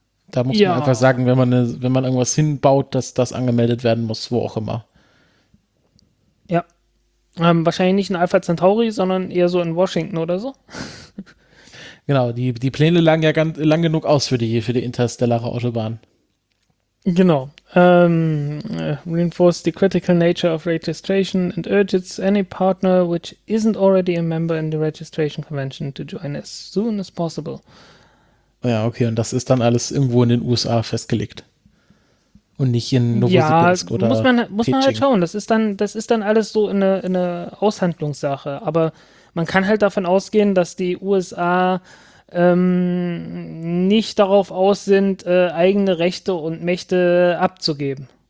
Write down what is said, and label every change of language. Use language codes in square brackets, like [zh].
[de] Da muss man einfach sagen, wenn man irgendwas hinbaut, dass das angemeldet werden muss, wo auch immer. Ja. Wahrscheinlich nicht in Alpha Centauri, sondern eher so in Washington oder so. Genau, die Pläne lagen ja ganz lang genug aus für die interstellare Autobahn. Genau. [en] Reinforce the critical nature of registration and urges any partner which isn't already a member in the registration convention to join as soon as possible. [de] Ja, okay, und das ist dann alles irgendwo in den USA festgelegt. Und nicht in Novosibirsk oder muss man halt schauen. Das ist dann alles so eine Aushandlungssache. Aber man kann halt davon ausgehen, dass die USA nicht darauf aus sind, eigene Rechte und Mächte abzugeben.